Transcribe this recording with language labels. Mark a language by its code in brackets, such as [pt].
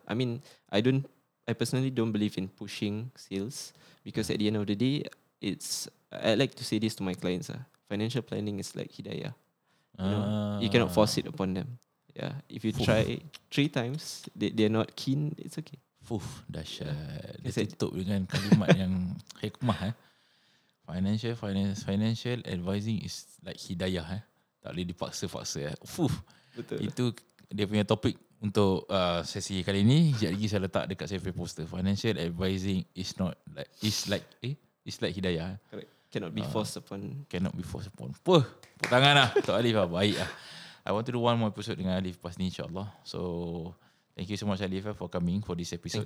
[en] I mean, I personally don't believe in pushing sales because at the end of the day, I like to say this to my clients. Financial planning is like hidayah. You cannot force it upon them. Yeah. If you try 3 times, they're not keen, it's okay. [ms] Fuh, dahsyat. Dia tutup dengan kalimat yang hikmah. [en] Financial advising is like hidayah. [ms] Tak boleh dipaksa-faksa. Fuh. Betul. Itu dia punya topik untuk sesi kali ini. Sekejap lagi saya letak dekat saya punya poster. [en] Financial advising is not like, it's like hidayah. Correct. Cannot be forced upon. [ms] Puh, tepuk tangan lah. Tok Alif lah, baik lah. [en] I want to do one more episode [ms] dengan Alif lepas ni, insyaAllah. [en] So, thank you so much Alif for coming for this episode.